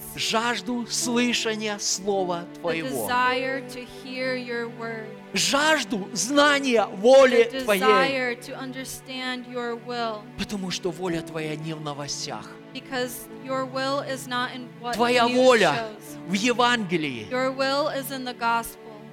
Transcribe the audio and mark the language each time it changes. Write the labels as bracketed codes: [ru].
[ru] жажду слышания Слова Твоего, [en] the desire to hear your word, [ru] жажду знания воли [en] the desire [ru] Твоей, [en] to understand your will, [ru] потому что воля Твоя не в новостях. [en] Because your will is not in what [ru] Твоя [en] news [ru] воля [en] shows. [ru] В Евангелии. [en] Your will is in the gospel.